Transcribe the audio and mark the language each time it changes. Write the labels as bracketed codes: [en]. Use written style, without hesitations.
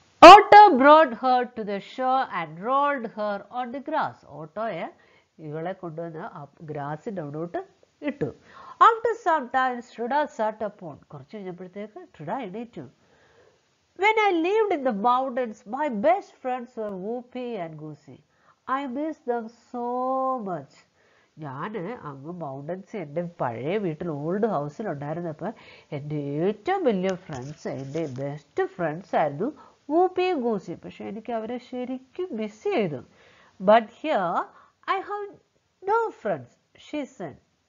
[en] Otto brought her to the shore and rolled her on the grass. [ml] ഓട്ടോയെ ഇവളെ കൊണ്ടുവന്ന് ഗ്രാസിൻ്റെ അവിടോട്ട് ഇട്ടു. [en] After some time Trida sat upon. [ml] കുറച്ച് കഴിഞ്ഞപ്പോഴത്തേക്ക് ട്രിഡ എണീറ്റു. [en] When I lived in the mountains, my best friends were Whoopi and Goosey. I miss them so much. [ml] ഞാന് അങ്ങ് mountains, എൻ്റെ പഴയ വീട്ടിൽ ഓൾഡ് ഹൗസിൽ ഉണ്ടായിരുന്നപ്പോൾ എൻ്റെ ഏറ്റവും വലിയ ഫ്രണ്ട്സ്, എൻ്റെ ബെസ്റ്റ് ഫ്രണ്ട്സ് ആയിരുന്നു വൂപ്പിയും ഗൂസിയും. പക്ഷേ എനിക്ക് അവരെ ശരിക്കും മിസ് ചെയ്തു. [en] But here I have no friends, she said.